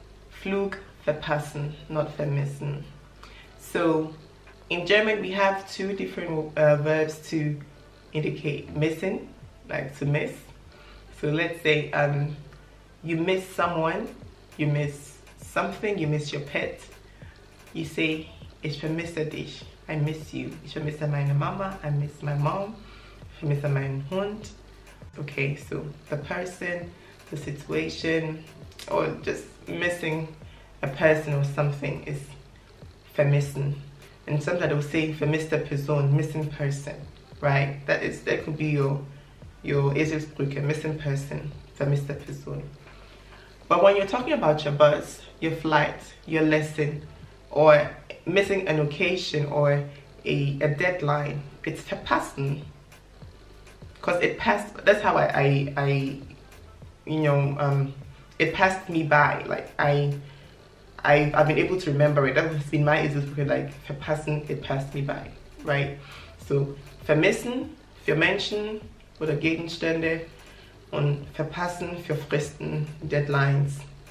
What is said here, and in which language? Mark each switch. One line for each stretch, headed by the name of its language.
German: Flug verpassen,
English: not vermissen. So, in German, we have two different verbs to indicate missing, like to miss. So let's say you miss someone, you miss something, you miss your pet. You say,
German: ich vermisse dich,
English: I miss you.
German: Ich vermisse meine Mama,
English: I miss my mom.
German: Ich vermisse meinen Hund.
English: Okay, so the person, the situation, or just missing a person or something is vermissen. And sometimes they'll say
German: vermisste Person,
English: missing person. Right, that could be your Eselsbrücke, missing person, vermisste Person. But when you're talking about your bus, your flight, your lesson, or missing an occasion or a deadline, it's verpassen. Because it passed, that's how it passed me by. Like I've been able to remember it. That has been my Eselsbrücke, like verpassen, it passed me by, right?
German: So vermissen für Menschen oder Gegenstände und verpassen für Fristen, deadlines.